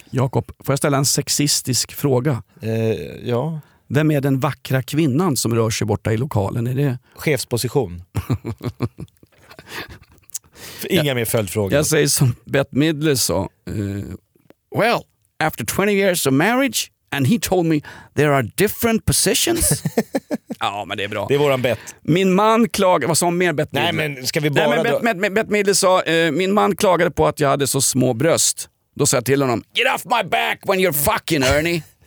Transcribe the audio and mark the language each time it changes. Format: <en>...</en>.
<sv>Jakob, får jag ställa en sexistisk fråga? Ja. Vem är den vackra kvinnan som rör sig borta i lokalen? Är det... Chefsposition. Inga mer följdfrågor. Jag säger som Bette Midler sa.</sv> <en>Well, after 20 years of marriage, and he told me there are different positions.</en> <sv>Ja, men det är bra. Det är våran Bett. Min man klagade... Vad sa hon mer, Bette Midler? Nej, men ska vi bara... Nej, men Bette Midler sa... min man klagade på att jag hade så små bröst. Då sa jag till honom...</sv> <en>Get off my back when you're fucking Ernie.</en>